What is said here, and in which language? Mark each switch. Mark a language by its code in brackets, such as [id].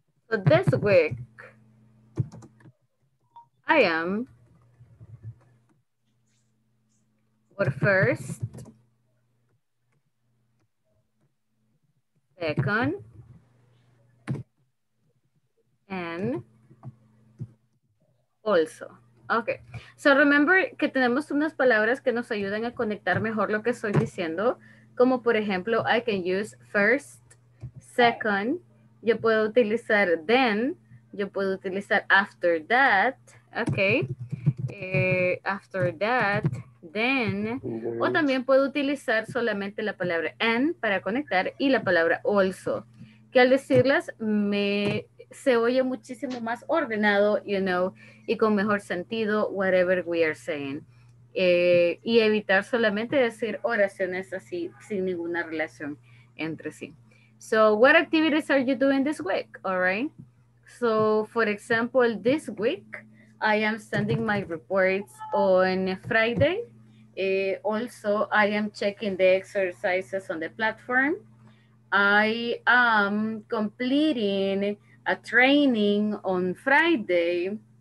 [en] So this week, I am, or first, second, and also. Okay. [es] So remember que tenemos unas palabras que nos ayudan a conectar mejor lo que estoy diciendo. Como por ejemplo, [en] I can use first, second. [es] Yo puedo utilizar then. Yo puedo utilizar after that. Okay. After that, then. O también puedo utilizar solamente la palabra and para conectar y la palabra also. Que al decirlas me se oye muchísimo más ordenado, [en] you know, [es] y con mejor sentido, [en] whatever we are saying. [es] Y evitar solamente decir oraciones así, sin ninguna relación entre sí. [en] So, what activities are you doing this week, all right? So, for example, this week, I am sending my reports on Friday. Also, I am checking the exercises on the platform. I am completing a training on Friday.